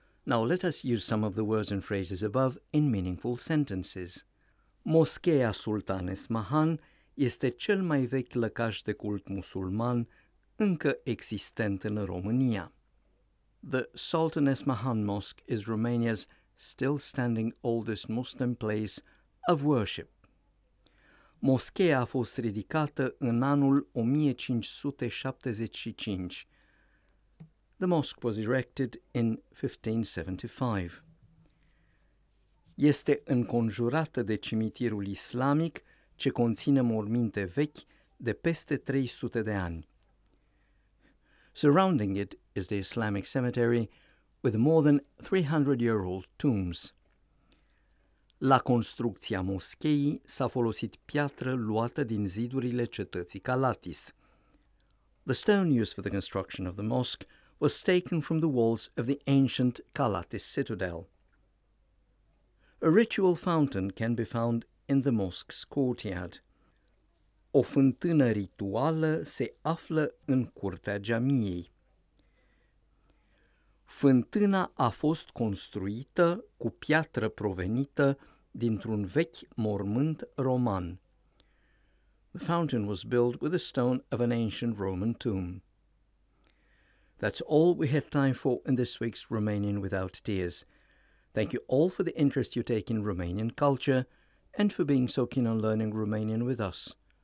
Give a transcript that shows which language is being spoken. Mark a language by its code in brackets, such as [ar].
[en] Now let us use some of the words and phrases above in meaningful sentences. [ro] Moschea Sultan Esmahan este cel mai vechi lăcaș de cult musulman încă existent în România. [en] The Sultan Esmahan Mosque is Romania's still standing oldest Muslim place of worship. [ro] Moschea a fost ridicată în anul 1575. [en] The mosque was erected in 1575. [ro] Este înconjurată de cimitirul islamic ce conține morminte vechi de peste 300 de ani. [en] Surrounding it is the Islamic cemetery with more than 300-year-old tombs. [ro] La construcția moscheii s-a folosit piatră luată din zidurile cetății Calatis. [en] The stone used for the construction of the mosque was taken from the walls of the ancient Calatis citadel. A ritual fountain can be found in the mosque's courtyard. [ro] O fântână rituală se află în curtea jamiei. Fântâna a fost construită cu piatră provenită dintr-un vechi mormânt roman. [en] The fountain was built with a stone of an ancient Roman tomb. That's all we had time for in this week's Romanian Without Tears. Thank you all for the interest you take in Romanian culture and for being so keen on learning Romanian with us.